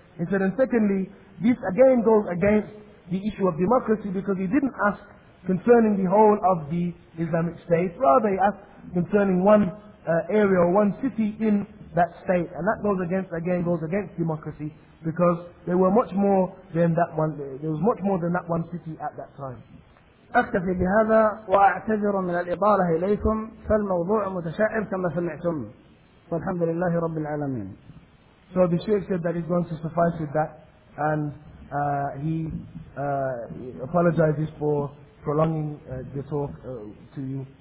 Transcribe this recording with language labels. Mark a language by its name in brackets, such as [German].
[English] He said, and secondly, this again goes against the issue of democracy, because he didn't ask concerning the whole of the Islamic State, rather he asked concerning one area or one city in that state, and that goes against democracy, because there were much more than that one, there was much more than that one city at that time. [Arabic] أكتفي بهذا وأعتذر من الإطالة إليكم، فالموضوع متشعب كما سمعتم، والحمد لله رب العالمين. [English] So the Sheikh said that he's going to suffice with that, and he apologizes for prolonging the talk to you.